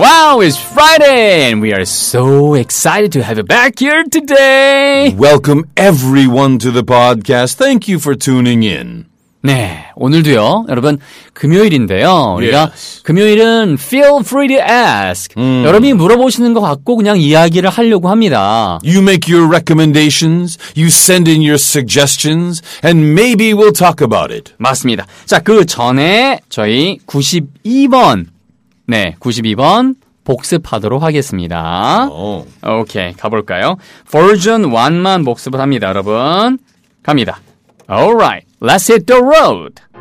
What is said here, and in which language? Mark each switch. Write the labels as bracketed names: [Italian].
[English] Wow, it's Friday and we are so excited to have you back here today. Welcome everyone to the podcast. Thank you for tuning in. [Korean] 네, 오늘도요, 여러분, 금요일인데요. 우리가 [English] yes. [Korean] 금요일은 [English] feel free to ask. [Korean] 여러분이 물어보시는 것 같고 그냥 이야기를 하려고 합니다. [English] You make your recommendations, you send in your suggestions, and maybe we'll talk about it. [Korean] 맞습니다. 자, 그 전에 저희 92번, 네, 92번 복습하도록 하겠습니다. 오케이, oh. okay, 가볼까요? Version 1만 복습을 합니다, 여러분. 갑니다. Alright. [English] Let's hit the road.